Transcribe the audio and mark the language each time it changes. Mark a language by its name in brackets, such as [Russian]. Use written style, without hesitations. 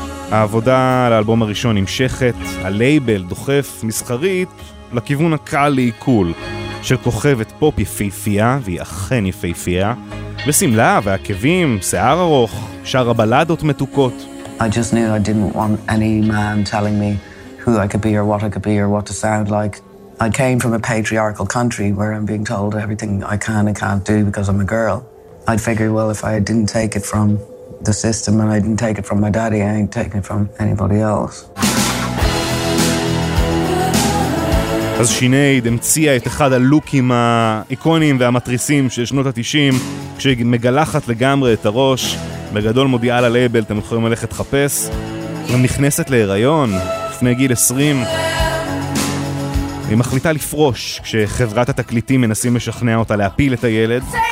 [Hebrew] העבודה לאלבום הראשון נמשכת, הלייבל דוחף מסחרית לכיוון הקל לעיכול, של כוכבת פופ יפהפייה, והיא אכן יפהפייה, ושמלה ועקבים, שיער ארוך, שרה בלדות מתוקות. [English] I just knew I didn't want any man telling me who I could be or what I could be or what to sound like. I came from a patriarchal country where I'm being told everything I can and can't do because I'm a girl. I'd figure, well, if I didn't take it from the system and I didn't take it from my daddy, I ain't taking it from anybody else. [Hebrew] אז שינייד המציאה את אחד הלוקים האיקונים והמטריסים של שנות ה-90, כשמגלחת לגמרי את הראש, בגדול מודיעה ללייבל, אתם יכולים ללכת חפש, גם נכנסת להיריון, לפני גיל 20, היא מחליטה לפרוש כשחברת התקליטים מנסים לשכנע אותה להפיל את הילד.